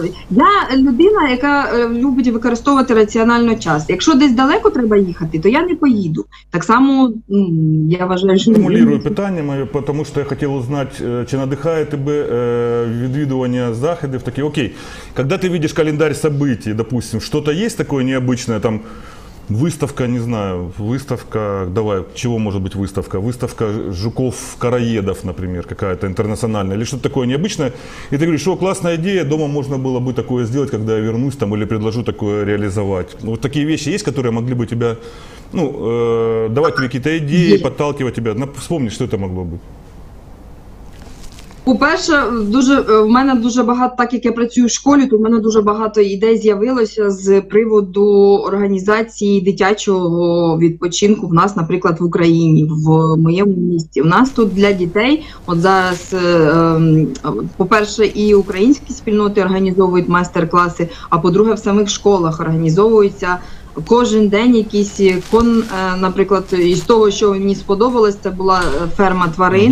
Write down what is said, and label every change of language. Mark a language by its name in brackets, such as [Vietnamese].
[Ukrainian] Я людина, яка любить використовувати раціонально час. Якщо десь далеко треба їхати, то я не поїду. Так само я вважаю, що... Стимулюю питання моє, тому що я хотів узнати, чи надихає тебе відвідування заходів. Такі, окей, коли ти бачиш календарь [Russian] событий, допустим, что-то есть такое необычное, там выставка, не знаю, выставка, давай, чего может быть выставка? Выставка жуков-короедов, например, какая-то интернациональная, или что-то такое необычное. И ты говоришь, о, классная идея, дома можно было бы такое сделать, когда я вернусь там, или предложу такое реализовать. Вот такие вещи есть, которые могли бы тебя, ну, давать тебе какие-то идеи, подталкивать тебя, вспомнить, что это могло быть. [Ukrainian] По-перше, в мене дуже багато, так як я працюю в школі, то в мене дуже багато ідей з'явилося з приводу організації дитячого відпочинку в нас, наприклад, в Україні, в моєму місті. У нас тут для дітей, от зараз, по-перше, і українські спільноти організовують майстер-класи, а по-друге, в самих школах організовуються кожен день якісь, наприклад, із того, що мені сподобалось, це була ферма тварин.